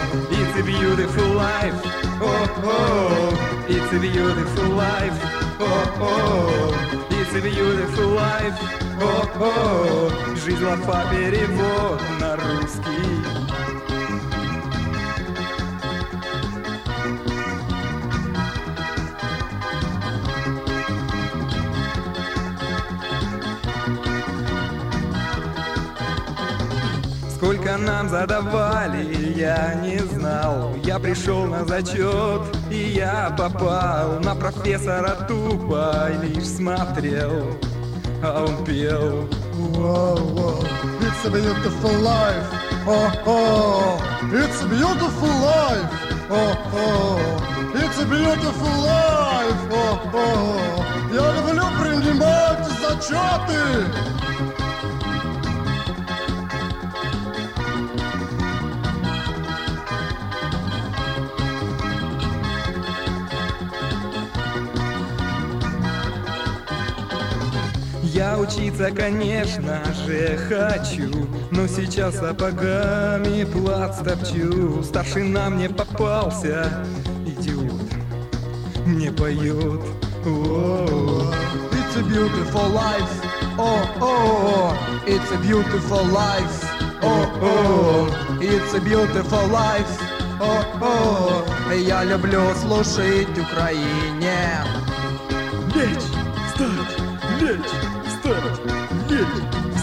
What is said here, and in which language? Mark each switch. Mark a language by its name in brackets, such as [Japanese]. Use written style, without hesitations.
[English] It's a beautiful life, oh oh. It's a beautiful life, oh oh. It's a beautiful life, oh oh. [Russian] Жизнь лафа, перевод на русский. Сколько нам задавали, я не знал. Я пришел на зачет, и я попал. На профессора тупо лишь смотрел, а он пел. Wow. [English] It's a beautiful life, oh-oh. It's a beautiful life, oh-oh. It's a beautiful life, oh-oh. [Russian] Я люблю принимать зачеты. Я учиться, конечно же, хочу, но сейчас сапогами плац топчу. Старшина мне попался, идиот, мне поет. Oh. [English] It's a beautiful life, oh-oh. It's a beautiful life, oh-oh. It's a beautiful life, oh-oh. [Russian] Я люблю служить Украине. Лечь, встать, лечь. Yeah.